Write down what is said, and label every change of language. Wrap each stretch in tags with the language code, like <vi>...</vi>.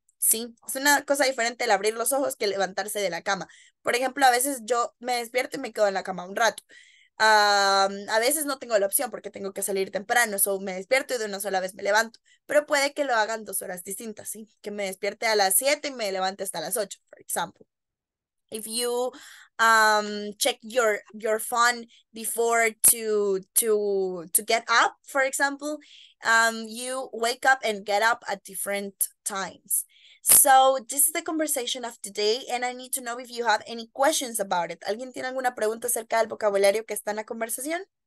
<es>Sí, es una cosa diferente el abrir los ojos que levantarse de la cama. Por ejemplo, a veces yo me despierto y me quedo en la cama un rato. A veces no tengo la opción porque tengo que salir temprano, o so me despierto y de una sola vez me levanto. Pero puede que lo hagan 2 horas distintas, ¿sí? Que me despierte a las 7 y me levante hasta las 8,</es> <en>for example. If you check your phone before to get up, for example, you wake up and get up at different times. So this is the conversation of today, and I need to know if you have any questions about it.</en> <es>¿Alguien tiene alguna pregunta acerca del vocabulario que está en la conversación?</es>